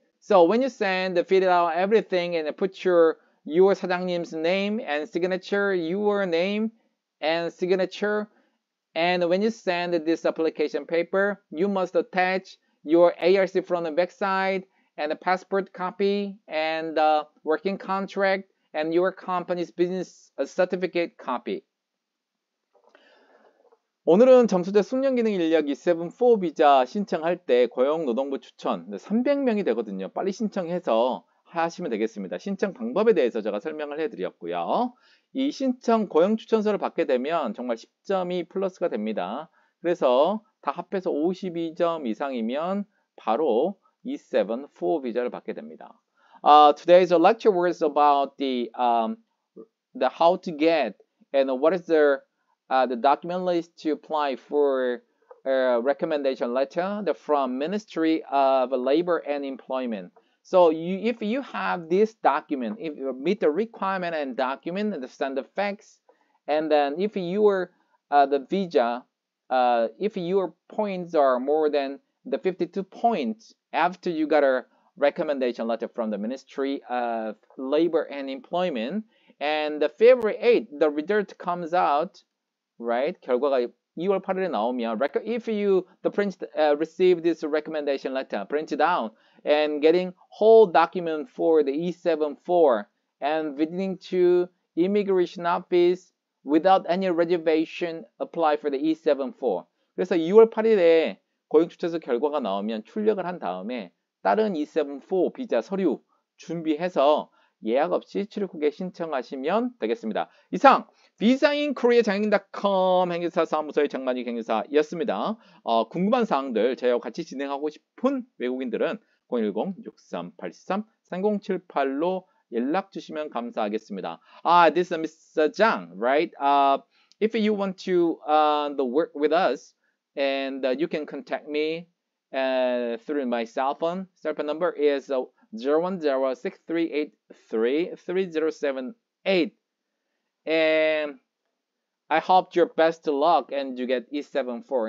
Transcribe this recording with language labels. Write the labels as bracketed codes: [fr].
[en] So when you send, fill out everything and put your 사장님's name and signature, your name and signature. And when you send this application paper, you must attach your ARC front and back side and a passport copy and the working contract and your company's business certificate copy. [ko] 오늘은 점수제 숙련기능 인력 E7-4 비자 신청할 때 고용노동부 추천 300명이 되거든요. 빨리 신청해서 하시면 되겠습니다. 신청 방법에 대해서 제가 설명을 해드렸고요. 이 신청 고용 추천서를 받게 되면 정말 10점이 플러스가 됩니다. 그래서 다 합해서 52점 이상이면 바로 E7-4 비자를 받게 됩니다. [en] Today's lecture was about the how to get and what is the document list to apply for a recommendation letter from Ministry of Labor and Employment. So you, if you have this document, if you meet the requirement and document and send the fax, and then if your the visa, if your points are more than the 52 points after you got a recommendation letter from the Ministry of Labor and Employment, and the February 8th, the result comes out, right? [ko] 결과가 2월 8일에 나오면, [en] if you receive this recommendation letter, print it out, and getting whole document for the E7-4 and visiting to immigration office without any reservation, apply for the E7-4. [ko] 그래서 2월 8일에 고용추천서 결과가 나오면 출력을 한 다음에 다른 E7-4 비자 서류 준비해서 예약 없이 출입국에 신청하시면 되겠습니다. 이상 VISA IN KOREA 장행닷컴 행정사 사무소의 장만희 행정사였습니다. 궁금한 사항들 저희와 같이 진행하고 싶은 외국인들은 010-6383-3078로 연락 주시면 감사하겠습니다. [en] This is Mr. Zhang, right? If you want to work with us, and you can contact me through my cell phone. Cell phone number is 010-6383-3078. And I hope your best luck and you get E7-4.